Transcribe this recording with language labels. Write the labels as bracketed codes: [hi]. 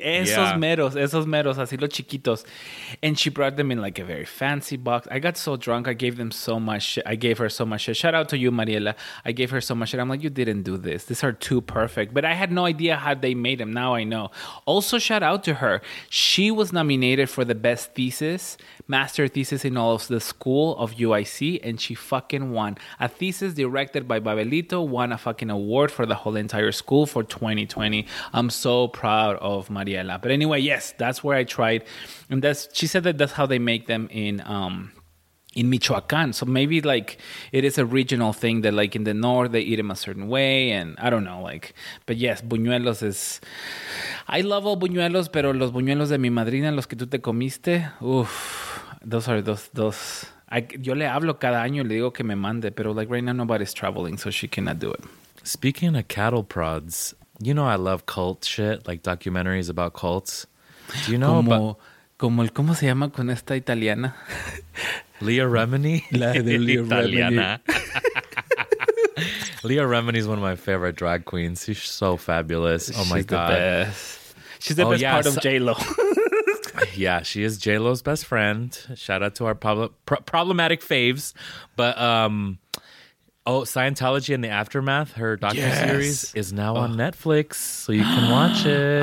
[es] Esos meros, así los chiquitos. [en] And she brought them in like a very fancy box. I got so drunk. I gave them so much. I gave her so much. Shout out to you, Mariela. I gave her so much. I'm like, you didn't do this. These are too perfect. But I had no idea how they made them. Now I know. Also, shout out to her. She was nominated for the best thesis, master thesis in all of the school of UIC. And she fucking won. A thesis directed by Babelito won a fucking award for the whole entire school for 2020. I'm so proud of Mariela. But anyway, yes, that's where I tried. And she said that's how they make them in Michoacán. So maybe like it is a regional thing that like in the north they eat them a certain way, and I don't know, like, but yes, buñuelos is, I love all buñuelos, [es] pero los buñuelos de mi madrina, los que tú te comiste, uff, [en] those are those. [es] Yo le hablo cada año y le digo que me mande, pero [en] like right now nobody's traveling, so she cannot do it. Speaking of cattle prods, you know I love cult shit, like documentaries about cults. Do you know [es] ¿Cómo se llama con esta italiana? [en] Leah Remini? [es] La de Leah Remini. [en] Leah Remini is one of my favorite drag queens. She's so fabulous. Oh my God. She's the best part of J-Lo. Yeah, she is J-Lo's best friend. Shout out to our problematic faves. But, Scientology and the Aftermath, her docuseries, is now on Netflix, so you can watch it.